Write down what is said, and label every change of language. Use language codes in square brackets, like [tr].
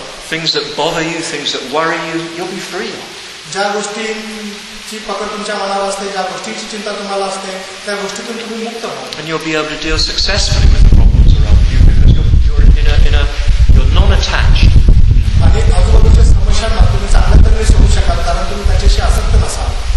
[en] Things that bother you, things that worry you, you'll be free of. [mr] ज्या गोष्टींची पकड तुमच्या मनावर असते, ज्या गोष्टींची चिंता तुम्हाला असते, त्या गोष्टीतून तुम्ही मुक्त व्हा. [en] And you'll be able to deal successfully with the problems around you because you're in a you're non-attached. [mr] आणि आजूबाजूच्या समस्यांना तुम्ही चांगल्या तऱ्हेने सोडू शकाल कारण तुम्ही त्याच्याशी आसक्त नसाल.